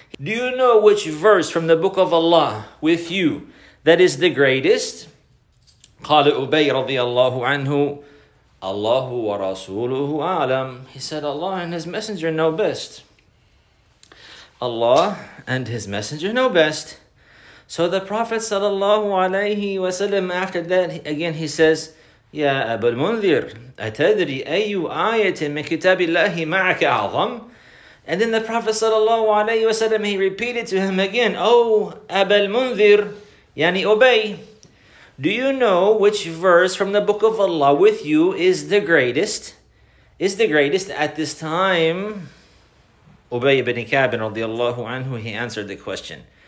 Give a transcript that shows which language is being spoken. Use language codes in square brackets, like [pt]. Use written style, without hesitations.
[en] Do you know which verse from the Book of Allah with you that is the greatest? [ar] قال أبي رضي الله عنه الله ورسوله أعلم. [en] He said, Allah and His Messenger know best. Allah and His Messenger know best. So the Prophet [ar] صلى الله عليه وسلم, [en] after that again he says, [ar] يا أبا المنذر أتدري أي آية من كتاب الله معك أعظم. [en] And then the Prophet صلى الله عليه وسلم, he repeated to him again, Oh أبا المنذر, [ar] يعني أبي, [en] do you know which verse from the Book of Allah with you is the greatest? Is the greatest at this time? Ubay ibn Ka'b radiyallahu anhu, he answered the question.